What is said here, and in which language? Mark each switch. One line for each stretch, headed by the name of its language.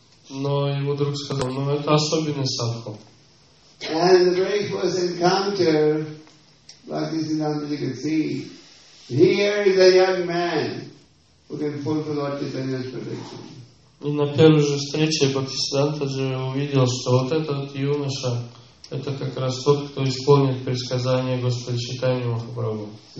Russian: Но его друг сказал, ну это особенный садху.
English: And the very first encounter, like this you can see, here is a young man who can fulfill Lord Chaitanya's prediction.
Russian: И на первой же встрече Бхактисиддханта же увидел, что вот этот юноша, это как раз тот, кто исполнит предсказание Господа Чайтанья Махапрабху.